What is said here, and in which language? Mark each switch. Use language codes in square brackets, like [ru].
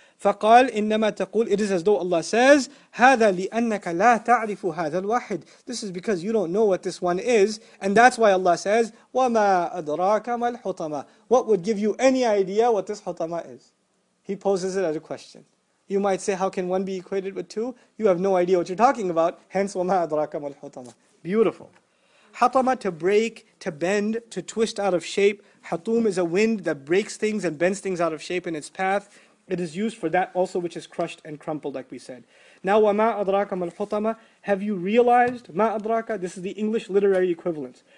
[ar] فَقَالْ إِنَّمَا تَقُولْ [en] It is as though Allah says, [ar] هَذَا لِأَنَّكَ لَا تَعْرِفُ هَذَا الْوَاحِدْ [en] This is because you don't know what this one is, and that's why Allah says, [ar] وَمَا أَدْرَاكَ مَا الْحُطَمَةِ [en] What would give you any idea what this hutama is? He poses it as a question. You might say, how can one be equated with two? You have no idea what you're talking about. Hence, [ar] وَمَا أَدْرَاكَ مَا الْحُطَمَةِ [en] Beautiful. حَطَمَة to break, to bend, to twist out of shape. حَطُوم is a wind that breaks things and bends things out of shape in its path. It is used for that also which is crushed and crumpled, like we said. Now, [ar] وَمَا أَدْرَاكَ مَا الْحُطَمَةِ [en] Have you realized, [ar] مَا أَدْرَاكَ [en] This is the English literary equivalent.